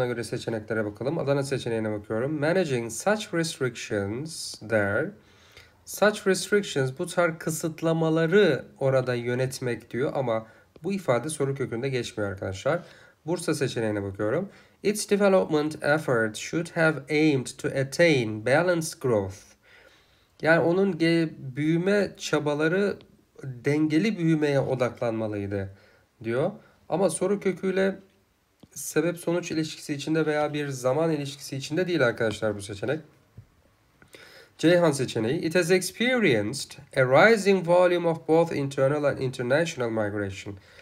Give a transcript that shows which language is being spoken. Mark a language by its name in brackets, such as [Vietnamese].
[Turkish] Buna göre seçeneklere bakalım. Adana seçeneğine bakıyorum. [English] Managing such restrictions there. Such restrictions, [Turkish] bu tarz kısıtlamaları orada yönetmek diyor ama bu ifade soru kökünde geçmiyor arkadaşlar. Bursa seçeneğine bakıyorum. [English] Its development effort should have aimed to attain balanced growth. [Turkish] Yani onun büyüme çabaları dengeli büyümeye odaklanmalıydı diyor. Ama soru köküyle sebep sonuç ilişkisi içinde veya bir zaman ilişkisi içinde değil arkadaşlar bu seçenek. Ceyhan seçeneği. [English] It has experienced a rising volume of both internal and international migration.